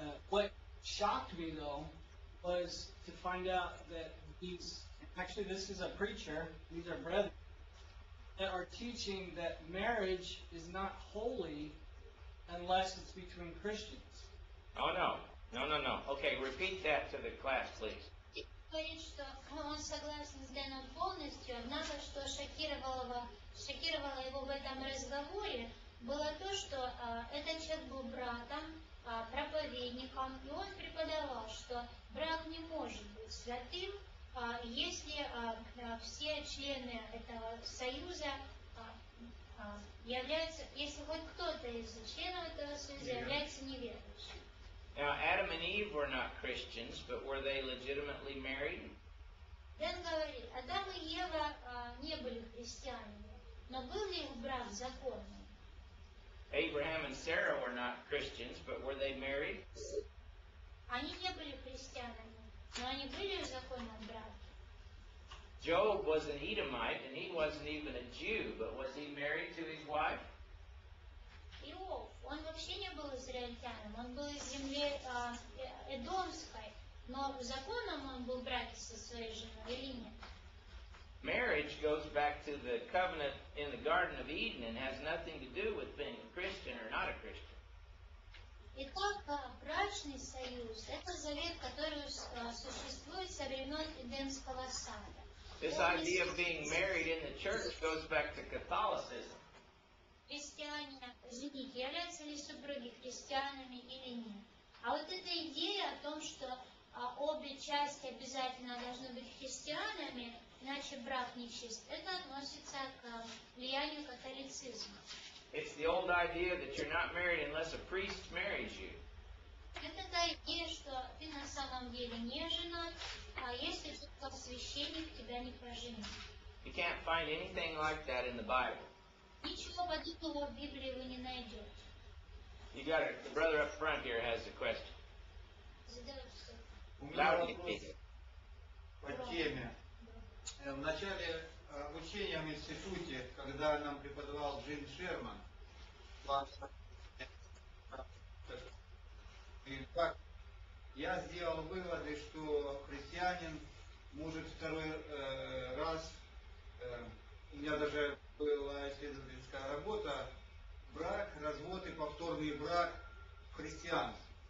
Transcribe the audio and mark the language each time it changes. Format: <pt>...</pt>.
<en>What shocked me, though, was to find out that this is a preacher, these are brethren, that are teaching that marriage is not holy unless it's between Christians. Oh, no. No. Okay, repeat that to the class, please.</en> <ru>Говорит, что он согласен с Дэном полностью, однако, что шокировало его в этом разговоре, было то, что этот человек был братом, проповедником, и он преподавал, что брак не может быть святым, если все члены этого союза являются, если хоть кто-то из членов этого союза является неверующим.</ru> <en>Now, Adam and Eve were not Christians, but were they legitimately married?</en> <ru>Дэн говорит, Адам и Ева не были христианами, но был ли их брак законным?</ru> <en>Abraham and Sarah were not Christians, but were they married?</en> <ru>Они не были христианами, но они были в законном браке.</ru> <en>Job was an Edomite, and he wasn't even a Jew, but was he married to his wife?</en> <ru>Иов, он вообще не был израильтянином, он был из земли Эдомской, но в законном он был в браке со своей женой или нет?</ru> <en>Marriage goes back to the covenant in the Garden of Eden and has nothing to do with being a Christian or not a Christian.</en> <ru>Итак, брачный союз – это завет, который существует со времен Эдемского сада.</ru> <en>This idea of being married in the church goes back to Catholicism.</en> <ru>Христиане, извините, являются ли супруги христианами или нет? А вот эта идея о том, что обе части обязательно должны быть христианами, иначе брак нечист, это относится к влиянию католицизма.</ru> <en>It's the old idea that you're not married unless a priest marries you.</en> <ru>Это та идея, что ты на самом деле не женат, а если только священник тебя не поженит.</ru> <en>You can't find anything like that in the Bible.</en> <ru>Ничего подобного в Библии вы не найдете.</ru> <en>You got it. The brother up front here has a question.</en> <ru>Задай вопрос. По теме. В начале обучения в институте, когда нам преподавал Джин Шерман, и так, я сделал выводы, что христианин может второй раз, у меня даже была исследовательская работа, брак, развод и повторный брак в христианстве.</ru>